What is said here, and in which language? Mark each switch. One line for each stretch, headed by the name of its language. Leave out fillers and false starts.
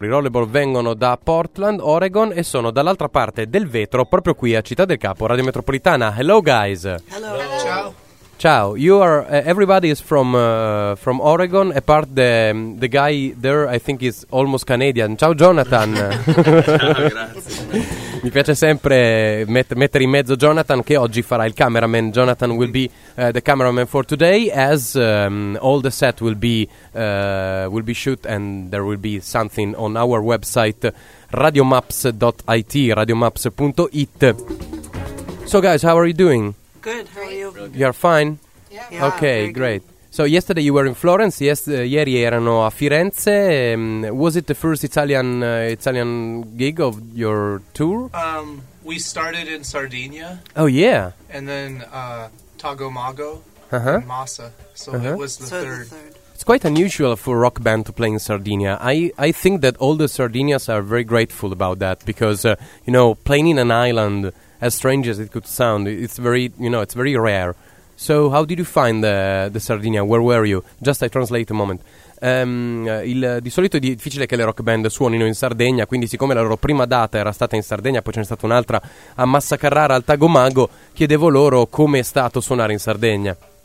Italian: I rollerball vengono da Portland, Oregon, e sono dall'altra parte del vetro, proprio qui a Città del Capo, Radio Metropolitana.
English: Hello guys. Hello.
Italian: Ciao. Ciao.
English: You are everybody is from Oregon, apart the guy there, I think is almost Canadian.
Italian: Ciao Jonathan. Ciao, grazie. Mi piace sempre mettere in mezzo Jonathan, che oggi farà il cameraman.
English: Jonathan will be the cameraman for today, as all the set will be shoot, and there will be something on our website, radiomaps.it, radiomaps.it. So guys, how are you doing? Good, how are you? Really good. You are fine? Yeah. Okay, great. So yesterday you were in Florence,
Italian: ieri erano a Firenze.
English: Was it the first Italian gig of your tour? We started in Sardinia. Oh yeah. And then Tagomago, uh-huh. Massa. So uh-huh. It was the, so third. The third. It's quite unusual for a rock band to play in Sardinia. I think that all the Sardinians are very grateful about that, because you know, playing in an island, as strange as it could sound, it's very, you know, it's very rare. So how did you find the Sardinia? Where were you? Just I translate a moment.
Italian: Di solito è difficile che le rock band suonino in Sardegna, quindi siccome la loro prima data era stata in Sardegna, poi ce n'è stata un'altra a Massa Carrara, al Tagomago, chiedevo loro come è stato suonare in Sardegna.